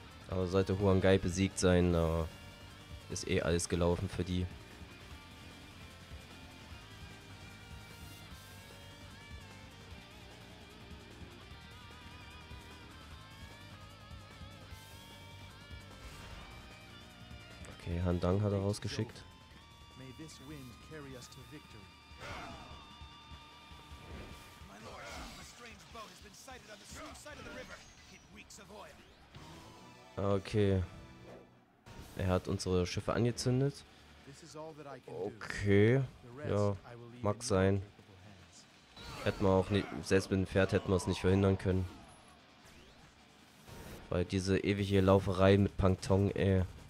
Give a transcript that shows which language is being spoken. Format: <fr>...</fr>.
<de>Aber sollte Huan Gai besiegt sein, ist eh alles gelaufen für die. Okay, Han Dang hat er rausgeschickt.</de> <en>May this wind carry us to victory. My lord, a strange boat has been sighted on the south side of the river. It reeks of oil. Okay.</en> <de>Er hat unsere Schiffe angezündet. Okay. Ja, mag sein. Hätten wir auch nicht, selbst mit dem Pferd hätten wir es nicht verhindern können. Weil diese ewige Lauferei mit Pang Tong, ey.</de>